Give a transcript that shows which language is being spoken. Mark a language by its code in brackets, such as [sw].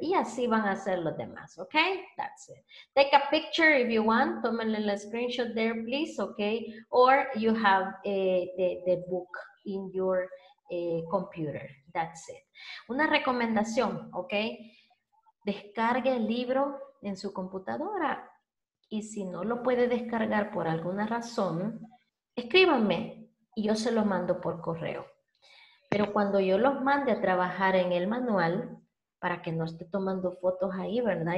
[es] Y así van a hacer los demás, okay? [en] That's it. Take a picture if you want. [es] Tómenle la [en] screenshot there, please, okay? Or you have the book in your computer. That's it. [es] Una recomendación, [en] ok. [es] Descargue el libro en su computadora y si no lo puede descargar por alguna razón, escríbanme y yo se lo mando por correo. Pero cuando yo los mande a trabajar en el manual, para que no esté tomando fotos ahí, ¿verdad?